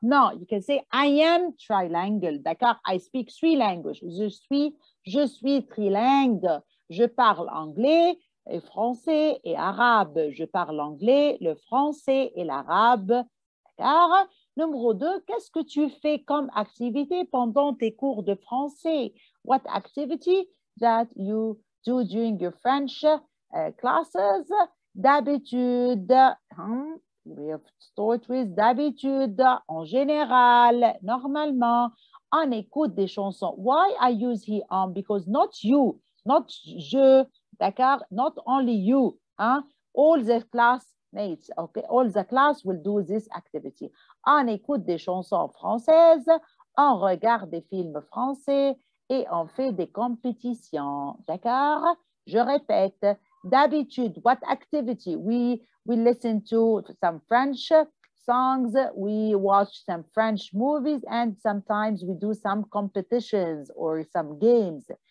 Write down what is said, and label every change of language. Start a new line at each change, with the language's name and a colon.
English: No, you can say, I am trilingual.
French: D'accord?
English: I speak 3 languages.
French: Je suis trilingue. Je parle anglais, et français et arabe. Je parle anglais, le français et l'arabe. D'accord? Numéro 2, qu'est-ce que tu fais comme activité pendant tes cours de français?
English: What activity that you do during your French classes?
French: D'habitude,
English: we have to start with
French: d'habitude, en général, normalement, on écoute des chansons.
English: Why I use he on? Because not you, not je,
French: d'accord?
English: Not only you, all the class. Mates, okay, all the class will do this activity.
French: On écoute des chansons françaises, on regarde des films français et on fait des compétitions. D'accord? Je répète, d'habitude,
English: what activity? We listen to some French songs, we watch some French movies, and sometimes we do some competitions or some games.